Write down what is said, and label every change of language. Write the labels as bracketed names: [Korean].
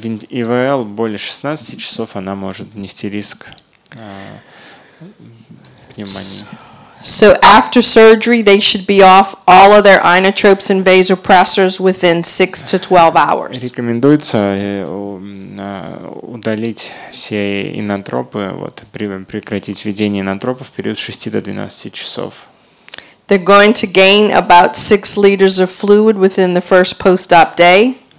[Russian] ИВЛ более 16 часов, она может нести риск пневмонии. [English] So after surgery, they should be off all of their inotropes and vasopressors within 6 to 12 hours. [Russian] Рекомендуется удалить все инотропы, вот, прекратить введение инотропов в период 6 до 12 часов. [English] They're going to gain about 6 liters of fluid within the first post-op day.